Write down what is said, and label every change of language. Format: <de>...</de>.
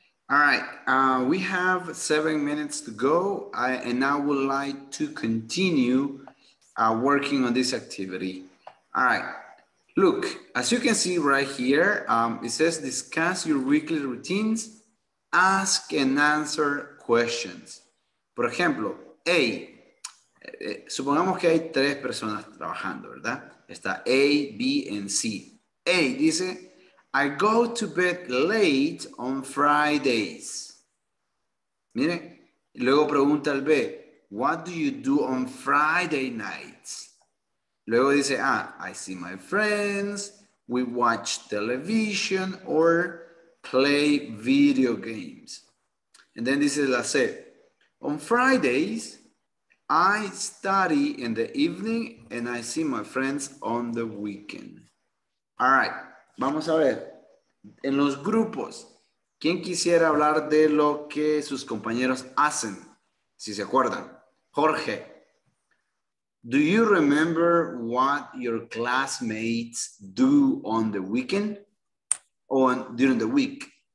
<en>All right, we have 7 minutes to go, and I would like to continue working on this activity. All right, look, as you can see right here, it says discuss your weekly routines, ask and answer questions.</en> <es>Por ejemplo, A, supongamos que hay tres personas trabajando, ¿verdad? Está A, B,</es> <en>and C. A</en> <es>dice,</es> <en>I go to bed late on Fridays.</en> <es>Mire, luego pregunta al B,</es> <en>what do you do on Friday nights?</en> <es>Luego dice,</es> <en>I see my friends, we watch television or play video games. And then this is</en> <es>la C,</es> <en>on Fridays, I study in the evening and I see my friends on the weekend. All right.</en> <es>Vamos a ver, en los grupos, ¿quién quisiera hablar de lo que sus compañeros hacen? Si se acuerdan.</es> <en>Jorge, ¿do you remember what your classmates do on the weekend or during the week?</en>